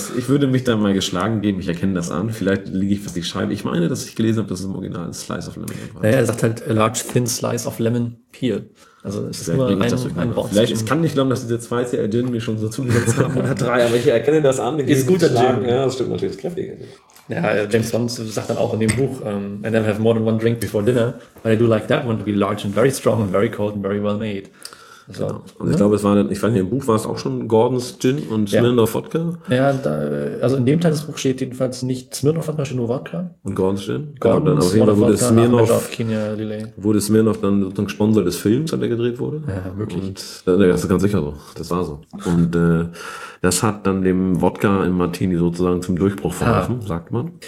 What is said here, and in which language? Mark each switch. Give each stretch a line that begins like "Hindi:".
German: Ich würde mich da mal geschlagen geben, ich erkenne das an. Vielleicht liege ich, was ich schreibe. Ich meine, dass ich gelesen habe, dass es im Original Slice of Lemon war. Naja, er sagt halt,
English: a large thin slice of lemon peel.
German: Also es ist immer ein Boss. Vielleicht, es kann nicht glauben, dass diese zwei CL Gin mir schon so zugesetzt haben. Oder drei, aber ich erkenne das an. Ist guter Gin. Ja, das stimmt natürlich. Das ist kräftig. Ja, James Bond sagt dann auch in dem Buch,
English: I never have more than one drink before dinner, but I do like that one to be large and very strong and very cold and very well made.
German: So. Genau. Und ich glaube, es war dann, ich fand hier im Buch war es auch schon Gordon's Gin und Smirnoff Wodka. Ja, da, also in dem Teil des Buchs steht jedenfalls nicht Smirnoff Wodka, sondern nur Wodka. Und Gordon's Gin? Gordon's Gin. Genau, wurde Smirnoff, Kenya Lillet. Wurde Smirnoff dann sozusagen Sponsor des Films, an der gedreht wurde? Ja, möglich. Und, das ist ganz sicher so. Das war so. Und das hat dann dem Wodka im Martini sozusagen zum Durchbruch verholfen, sagt man.